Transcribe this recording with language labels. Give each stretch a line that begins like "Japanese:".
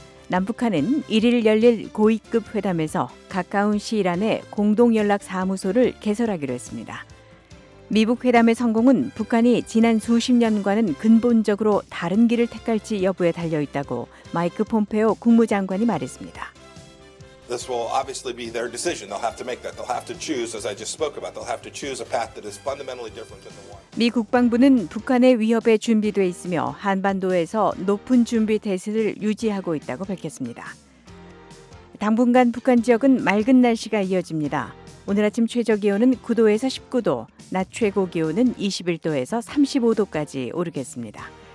Korean: 남북한은 1일 열릴 고위급 회담에서 가까운 시일 안에 공동연락사무소를 개설하기로 했습니다. 미북 회담의 성공은 북한이 지난 수십 년과는 근본적으로 다른 길을 택할지 여부에 달려있다고 마이크 폼페오 국무장관이 말했습니다.
English: This will obviously be their decision. They'll have to make that. They'll have to choose, as I just spoke about. They'll have to choose a path that is fundamentally different than the one.
Korean: 미 국방부는 북한의 위협에 준비돼 있으며 한반도에서 높은 준비 태세를 유지하고 있다고 밝혔습니다. 당분간 북한 지역은 맑은 날씨가 이어집니다. 오늘 아침 최저 기온은 9도에서 19도, 낮 최고 기온은 21도에서 35도까지 오르겠습니다.